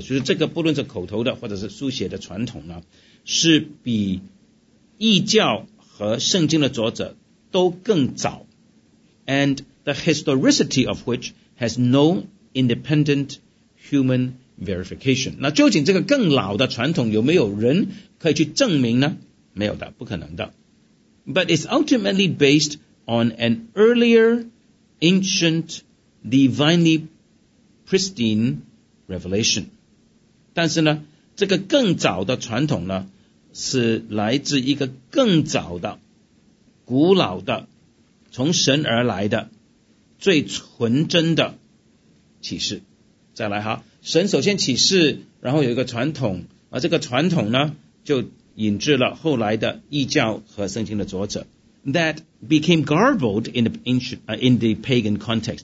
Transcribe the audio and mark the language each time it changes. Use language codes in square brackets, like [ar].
[zh] 就是这个不论是口头的或者是书写的传统呢，是比异教和圣经的作者都更早 ， [en] and the historicity of which has no independent human verification. [zh] 那究竟这个更老的传统有没有人可以去证明呢？没有的，不可能的。 [en] But it's ultimately based on an earlier, ancient, divinely pristine revelation. [zh] 但是呢，这个更早的传统呢，是来自一个更早的、古老的、从神而来的、最纯真的启示。再来哈，神首先启示，然后有一个传统，而这个传统呢就引致了后来的异教和圣经的作者 [en] that became garbled in the pagan context.